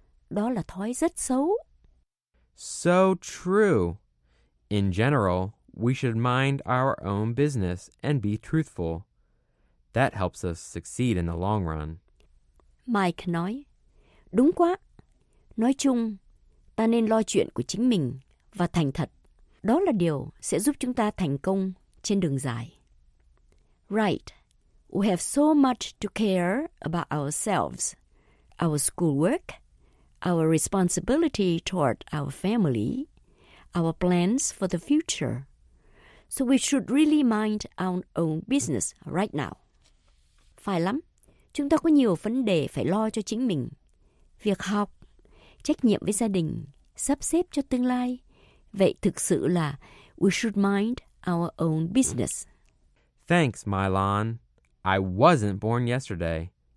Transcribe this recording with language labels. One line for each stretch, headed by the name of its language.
Vietnamese: Đó là thói rất xấu.
English: So true. In general, we should mind our own business and be truthful. That helps us succeed in the long run.
Vietnamese: Mike nói, đúng quá. Nói chung, ta nên lo chuyện của chính mình và thành thật. Đó là điều sẽ giúp chúng ta thành công trên đường dài.
English: Right. We have so much to care about ourselves, our schoolwork, our responsibility toward our family, our plans for the future. So we should really mind our own business right now.
Vietnamese: Phải lắm. Chúng ta có nhiều vấn đề phải lo cho chính mình. Việc học, trách nhiệm với gia đình, sắp xếp cho tương lai. Vậy thực sự là
English: we should mind our own business. Thanks, Mylon. I wasn't born yesterday.